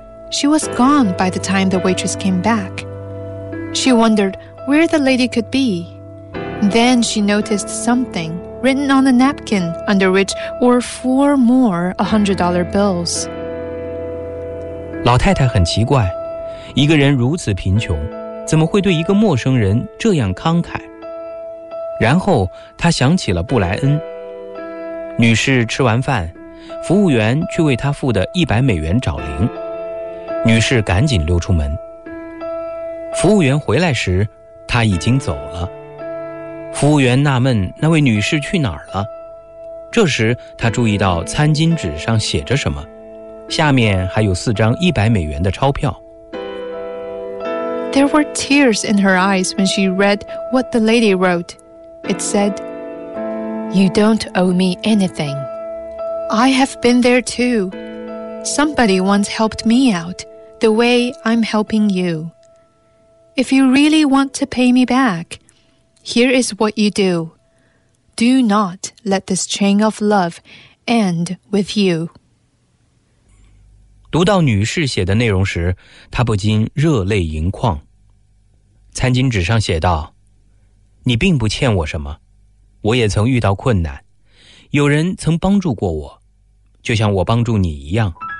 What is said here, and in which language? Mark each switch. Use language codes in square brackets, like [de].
[en] She was gone by the time the waitress came back. She wondered where the lady could be. Then she noticed something written on a napkin under which were 4 more $100 bills. [zh] 老太太很奇怪。一个人如此贫穷，怎么会对一个陌生人这样慷慨？然后他想起了布莱恩。女士吃完饭，服务员去为她付的100美元找零。女士赶紧溜出门。服务员回来时，她已经走了。服务员纳闷那位女士去哪儿了。这时她注意到餐巾纸上写着什么，下面还有4张100美元的钞票。 [en] There were tears in her eyes when she read what the lady wrote. It said, You don't owe me anything. I have been there too. Somebody once helped me out, the way I'm helping you. If you really want to pay me back, here is what you do. Do not let this chain of love end with you. [zh] 读到女士写的内容时，她不禁热泪盈眶。餐巾纸上写道，你并不欠我什么，我也曾遇到困难，有人曾帮助过我，就像我帮助你一样。